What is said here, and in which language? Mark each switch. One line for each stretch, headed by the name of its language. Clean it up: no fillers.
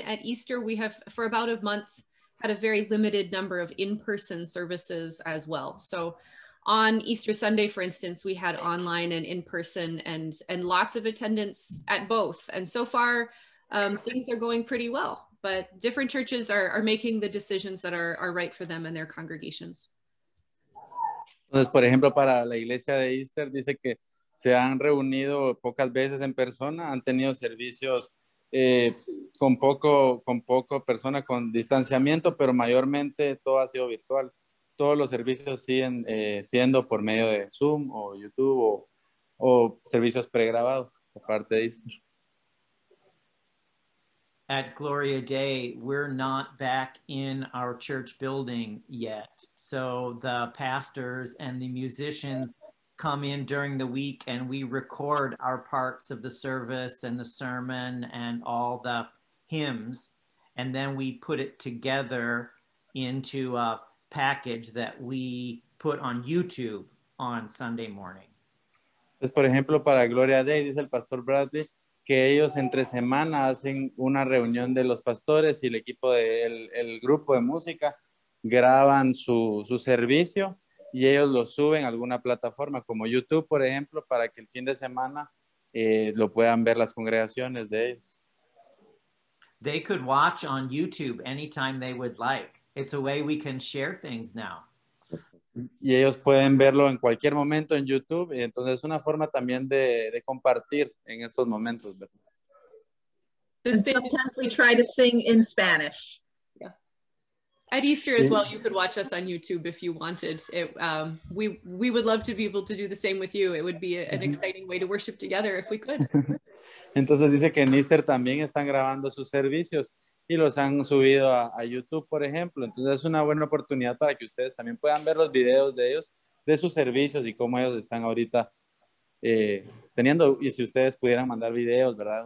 English: At Easter, we have, for about a month, had a very limited number of in-person services as well. So on Easter Sunday, for instance, we had online and in-person and lots of attendance at both. And so far, things are going pretty well, but different churches are making the decisions that are right for them and their congregations.
Spanish: Entonces, por ejemplo, para la iglesia de Easter, dice que se han reunido pocas veces en persona, han tenido servicios con poco persona, con distanciamiento, pero mayormente todo ha sido virtual. Todos los servicios siguen siendo por medio de Zoom o YouTube o servicios pregrabados por parte de Easter.
English: at Gloria Day, we're not back in our church building yet. So the pastors and the musicians come in during the week and we record our parts of the service and the sermon and all the hymns. And then we put it together into a package that we put on YouTube on Sunday morning.
Spanish: Pues, por ejemplo, para Gloria Day, dice el Pastor Bradley, que ellos entre semana hacen una reunión de los pastores y el equipo el grupo de música, graban su servicio y ellos lo suben a alguna plataforma como YouTube, por ejemplo, para que el fin de semana lo puedan ver las congregaciones de ellos.
English: They could watch on YouTube anytime they would like. It's a way we can share things now.
Spanish: Y ellos pueden verlo en cualquier momento en YouTube. Y entonces es una forma también de compartir en estos momentos.
English: And sometimes we try to sing in Spanish. Yeah. At Easter as well, you could watch us on YouTube if you wanted. We would love to be able to do the same with you. It would be an exciting way to worship together if we could.
Spanish: Entonces dice que en Easter también están grabando sus servicios y los han subido a YouTube, por ejemplo. Entonces es una buena oportunidad para que ustedes también puedan ver los videos de ellos, de sus servicios y cómo ellos están ahorita teniendo, y si ustedes pudieran mandar videos, ¿verdad?